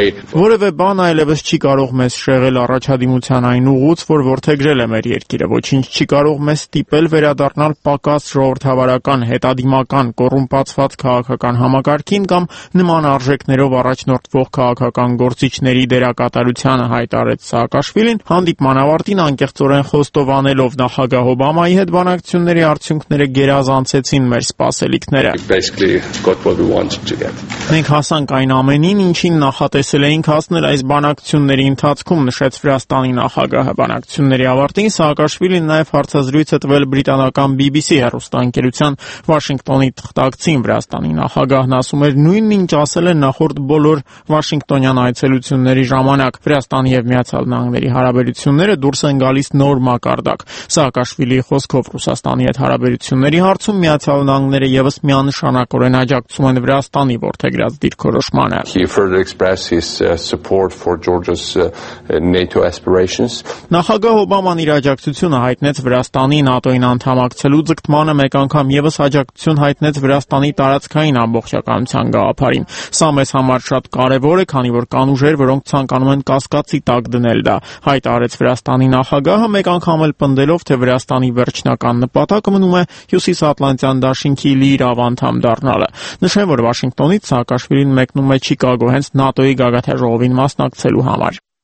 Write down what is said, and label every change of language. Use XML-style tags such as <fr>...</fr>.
<hy>«Որևէ բան այլևս չի կարող մեզ շեղել առաջադիմության այն ուղուց, որ որդեգրել է մեր երկիրը, ոչինչ չի կարող մեզ ստիպել վերադառնալ պակաս ժողովրդավարական, հետադիմական, կոռումպացված քաղաքական համակարգին կամ նման արժեքներով առաջնորդվող քաղաքական գործիչների դերակատարությանը», հայտարարեց Սահակաշվիլին հանդիպման ավարտին, անկեղծորեն խոստովանելով նախագահ Օբամայի հետ բանակցությունների արդյունքները գերազանցեցին մեր սպասելիքները։</hy> <en>Got what we wanted to get.</en> <hy>Մենք հասանք այն ամենին, ինչին նախատեսել էինք հասնել այս բանակցությունների ընթացքում, նշեց Վրաստանի նախագահը։ Բանակցությունների ավարտին Սահակաշվիլին նաև հարցազրույց է տվել բրիտանական BBC հեռուստաընկերության Վաշինգտոնի թղթակցին։ Վրաստանի նախագահն ասում էր նույնն, ինչ ասել է նախորդ բոլոր Վաշինգտոնյան այցելությունների ժամանակ. Վրաստանի և Միացյալ Նահանգների հարաբերությունները դուրս են գալիս նոր մակարդակ։ Սահակաշվիլի խոսքով Ռուսաստանի հետ հարաբերությունների հարցում Միացյալ Նահանգները եւս միանշանակ որեն աջակցում են Վրաստանի որդեգրած դիրքորոշմանը։</hy> <en>He further expressed his support for Georgia's NATO aspirations.</en> <hy>Նախագահ Օբաման իր աջակցությունը հայտնեց Վրաստանի ՆԱՏՕ-ին անդամակցելու ձգտմանը, մեկ անգամ եւս աջակցություն հայտնեց Վրաստանի տարածքային ամբողջականության գաղափարին։ Սա մեզ համար շատ կարևոր է, քանի որ կան ուժեր, որոնք ցանկանում են կասկածի տակ դնել դա, հայտարարեց Վրաստանի նախագահը, մեկ անգամ էլ պնդելով, թե Վրաստանի վերջնական նպատակը մնում է հյուսիսատլանտյան դաշինքի լիիր ավանդամ դարձնել։ Նշեմ, որ Վաշինգտոնից Սահակաշվիլին մեկնում է Չիկագո հենց ՆԱՏՕ-ի գագաթաժողովին մասնակցելու համար։</hy>